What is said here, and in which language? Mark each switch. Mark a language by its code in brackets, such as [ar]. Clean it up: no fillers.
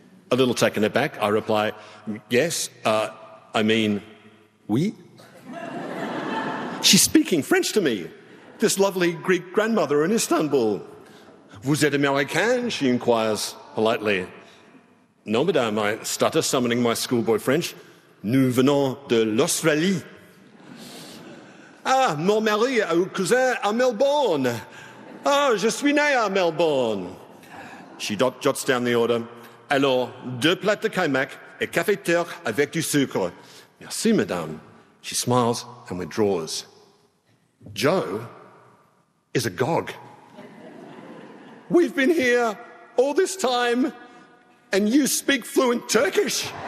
[en] A little taken aback, I reply, "Yes, I mean, oui." She's speaking French to me, this lovely Greek grandmother in Istanbul. [fr] "Vous êtes américain?" [en] she inquires politely. "No, madame," I stutter, summoning my schoolboy French. [fr] "Nous venons de l'Australie." "Ah, mon mari et mon cousin à Melbourne. Ah, je suis né à Melbourne." [en] She jots down the order. [fr] "Alors, deux plats de kaymak et café turc avec du sucre." "Merci, madame." [en] She smiles and withdraws. Joe is agog. "We've been here all this time and you speak fluent Turkish."